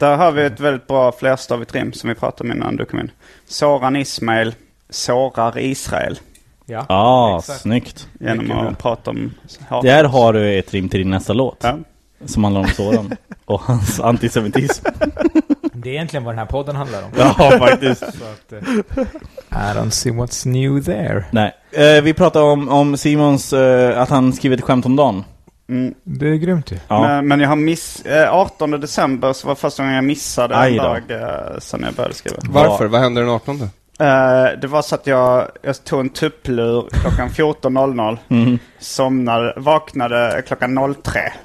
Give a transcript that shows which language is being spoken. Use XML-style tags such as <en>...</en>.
<sv>Där har vi ett väldigt bra flerstavigt rim som vi pratade om innan du kom in. Soran Ismail sårar Israel. Ja. Ah, snyggt. Genom att prata om Hakos. Där har du ett rim till din nästa låt. Ja. Som handlar om Soran och hans antisemitism. Det är egentligen vad den här podden handlar om. Ja, faktiskt.</sv> <en>I don't see what's new there.</en> <sv>Nej. Vi pratade om Simons att han skrivit ett skämt om dagen. Det är grymt ju. Ja. Men jag har 18 december så var första gången jag missade en dag sen jag började skriva. Varför? Vad hände den 18? Det var så att jag tog en tupplur klockan 14.00, somnade, vaknade klockan 03.</sv>